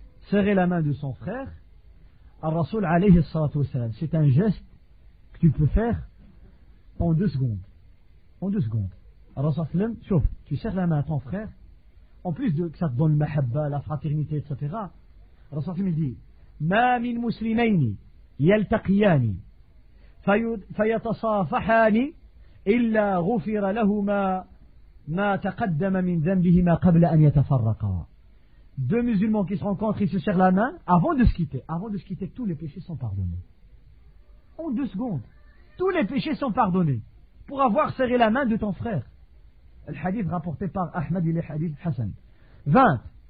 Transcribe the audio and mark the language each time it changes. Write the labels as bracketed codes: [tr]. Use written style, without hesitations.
[fr] Serrer la main de son frère. Al-Rasul alayhi salatu wa sallam. C'est un geste que tu peux faire en 2 secondes. En 2 secondes. Rasulallah, chauf, tu serres la main à ton frère, en plus de que ça te donne le mahabba, la fraternité, etc. Rasulallah, il dit, [ar] ما من مسلمين يلتقيان فيتصافحان إلا غفر لهما ما تقدم من ذنبهما قبل أن يتفرقا. [fr] Deux musulmans qui se rencontrent, ils se serrent la main avant de se quitter, tous les péchés sont pardonnés. En deux secondes, tous les péchés sont pardonnés pour avoir serré la main de ton frère. Le hadith rapporté par Ahmad il est hadith Hassan. 20.